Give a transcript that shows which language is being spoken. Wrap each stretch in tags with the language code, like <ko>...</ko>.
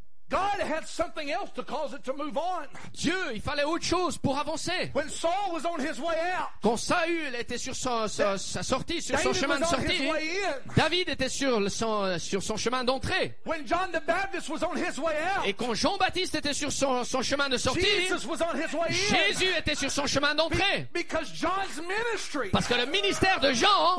<en>God had something else to cause it to move on.</en> <fr>Dieu, il fallait autre chose pour avancer.</fr> <en>When Saul was on his way out,</en> <fr>quand Saül était sur sa sortie, sur</fr> <en>David</en> <fr>son chemin de sortie,</fr> <en>on his way in.</en> <fr>David était sur son chemin d'entrée.</fr> <en>When John the Baptist was on his way out,</en> <fr>et quand Jean-Baptiste était sur son chemin de sortie,</fr> <en>Jesus was on his way in.</en> <fr>Jésus était sur son chemin d'entrée.</fr> <en>Because John's ministry,</en> <fr>parce que le ministère de Jean</fr>